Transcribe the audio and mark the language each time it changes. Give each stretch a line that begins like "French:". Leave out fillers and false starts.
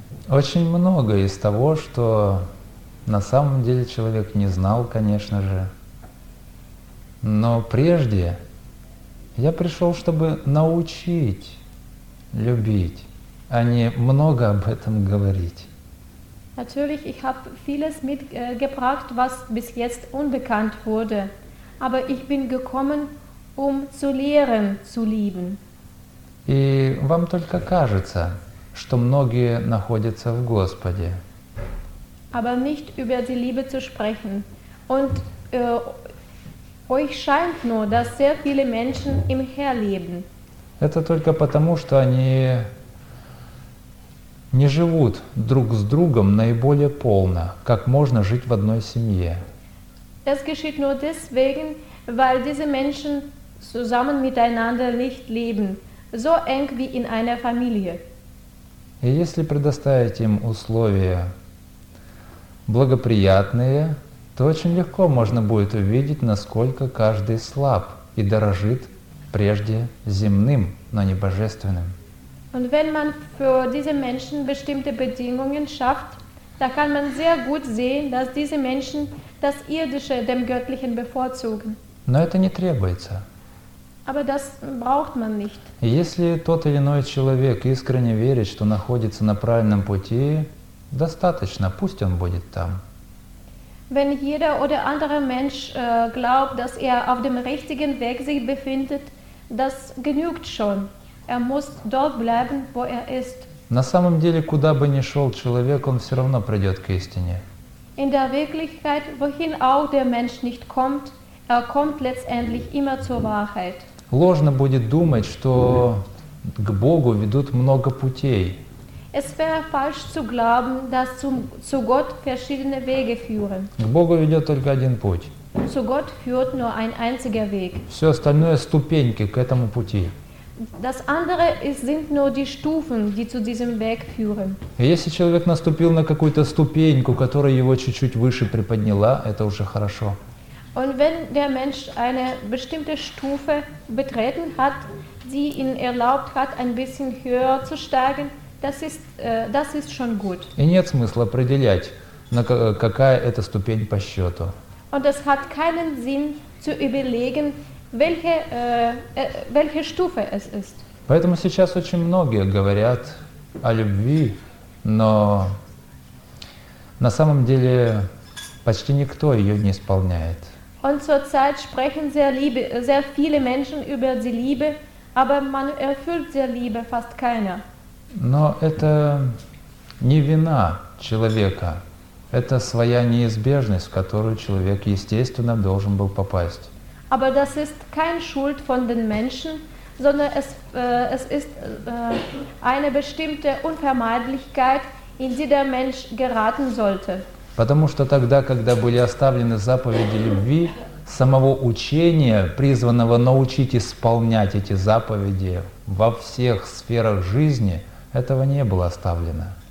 Russian: Очень много из того, что на самом деле человек не знал, конечно же. Но прежде я пришел, чтобы научить любить, а не много об этом говорить.
German: Natürlich, ich habe vieles mitgebracht, was bis jetzt unbekannt wurde. Aber ich bin gekommen, um zu lehren, zu lieben.
Russian: И вам только кажется, что многие находятся в Господе.
German: Aber nicht über die Liebe zu sprechen. Und euch scheint nur, dass sehr viele Menschen im Herr leben.
Russian: Это только потому, что они не живут друг с другом наиболее полно, как можно жить в одной семье.
German: Das geschieht nur deswegen, weil diese Menschen zusammen miteinander nicht leben. So eng wie in einer Familie.
Russian: И если предоставить им условия благоприятные, то очень легко можно будет увидеть, насколько каждый слаб и дорожит прежде земным, но не божественным.
German: Und wenn man für diese Menschen bestimmte Bedingungen schafft, da kann man sehr gut sehen, dass diese Menschen das Irdische dem Göttlichen bevorzugen.
Russian: Но это не требуется.
German: Aber das braucht man nicht.
Russian: Если тот или иной человек искренне верит, что находится на правильном пути, достаточно, пусть он будет там.
German: Wenn jeder oder andere Mensch glaubt, dass er auf dem richtigen Weg sich befindet, das genügt schon. Er muss dort bleiben, wo er ist.
Russian: На самом деле, куда бы ни шел человек, он все равно придет к истине.
German: In der Wirklichkeit, wohin auch der Mensch nicht kommt, er kommt letztendlich immer zur Wahrheit.
Russian: Ложно будет думать, что к Богу ведут много путей.
German: Es wäre falsch zu glauben, dass zu Gott verschiedene Wege führen.
Russian: К Богу ведет только один путь.
German: Zu Gott führt nur ein einziger Weg.
Russian: Все остальное ступеньки к этому пути.
German: Das andere sind nur die Stufen, die zu diesem Weg führen.
Russian: Если человек наступил на какую-то ступеньку, которая его чуть-чуть выше приподняла, это уже хорошо.
German: Und wenn der Mensch eine bestimmte Stufe betreten hat, die ihn erlaubt hat, ein bisschen höher zu steigen, das ist schon gut.
Russian: И нет смысла определять, какая это ступень по счету.
German: Und es hat keinen Sinn zu überlegen, welche Stufe es ist.
Russian: Поэтому сейчас очень многие говорят о любви, но на самом деле почти никто ее не исполняет.
German: Und zurzeit sprechen sehr viele Menschen über die Liebe, aber man erfüllt die Liebe fast keiner.
Russian: Но это не вина человека. Это своя неизбежность, в которую человек естественно должен был попасть.
German: Aber das ist kein Schuld von den Menschen, sondern es ist eine bestimmte Unvermeidlichkeit, in die der Mensch geraten sollte.
Russian: Потому что тогда, когда были оставлены заповеди любви, самого учения, призванного научить исполнять эти заповеди во всех сферах жизни, этого не было оставлено.